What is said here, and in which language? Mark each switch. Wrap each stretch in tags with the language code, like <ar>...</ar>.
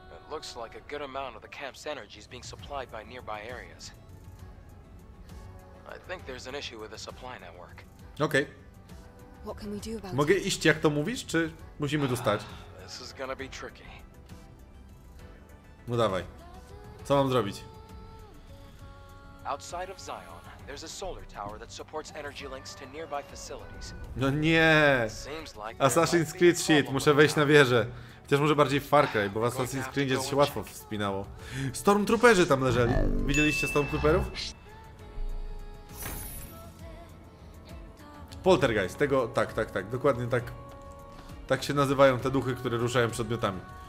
<en>Looks like a good amount of the camp's energy is being supplied by nearby areas. I think there's an issue with the supply network. Okay. What can we do about it?</en> <pl>Mogę iść jak to mówisz, czy musimy tu stać?</pl> <en>This is gonna be tricky.</en> <pl>No dawaj. Co mam zrobić?</pl> <en>Outside of Zion, there's a solar tower that supports energy links to nearby facilities.</en> <pl>No nie. Assassin's Creed shit, muszę wejść na wieżę. Chociaż może bardziej Far Cry, bo w Assassin's Creed się łatwo wspinało. Stormtrooperzy tam leżeli. Widzieliście Stormtrooperów? Poltergeist, tego... Tak. Dokładnie tak. Tak się nazywają te duchy, które ruszają przedmiotami.</pl>